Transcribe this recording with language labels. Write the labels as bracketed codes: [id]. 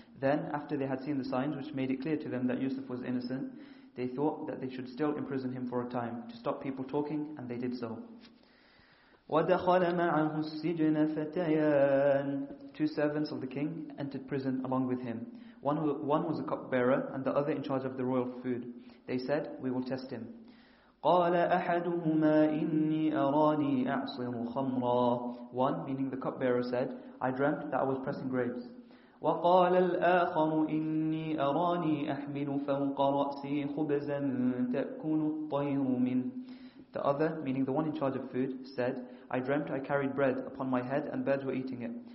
[en] Then, after they had seen the signs which made it clear to them that Yusuf was innocent, they thought that they should still imprison him for a time to stop people talking, and they did so. [ar] وَدَخَلَ مَعَهُ السِّجْنَ فَتَيَانِ. [en] Two servants of the king entered prison along with him. One was a cupbearer and the other in charge of the royal food. They said, "We will test him." [ar] قَالَ أَحَدُهُمَا إِنِّي أَرَانِي أَعْصِرُ خَمْرًا. [en] One, meaning the cupbearer, said, "I dreamt that I was pressing grapes." [ar] وَقَالَ الْآخَرُ إِنِّي أَرَانِي أَحْمِلُ فَوْقَ رَأْسِي خُبْزًا تَأْكُلُ الطَّيْرُ مِنْهُ. [en] The other, meaning the one in charge of food, said, "I dreamt I carried bread upon my head and birds were eating it."